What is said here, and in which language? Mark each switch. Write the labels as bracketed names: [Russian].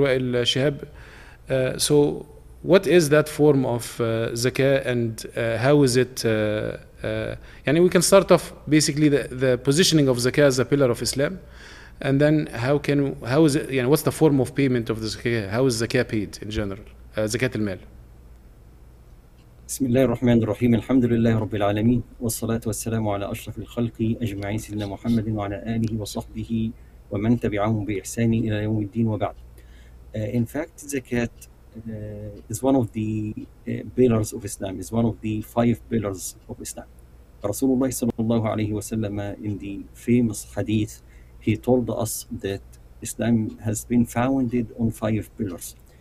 [English] Wael Shehab, so what is that form of zakah, and how is it? And we can start off basically the positioning of zakah as a pillar of Islam, and then how is it? What's the form of payment of the zakah? How is zakah paid in general? Zakat al-mal. [Arabic] بسم الله الرحمن الرحيم الحمد لله رب العالمين والصلاة والسلام على أشرف الخلق أجمعين سيدنا محمد وعلى آله وصحبه ومن تبعهم بإحسان إلى يوم الدين وبعد. [English] In fact, zakat is one of the pillars of Islam, is one of the five pillars of Islam. Rasulullah sallallahu alayhi wa sallam, in the famous hadith, he told us that Islam has been founded on five pillars.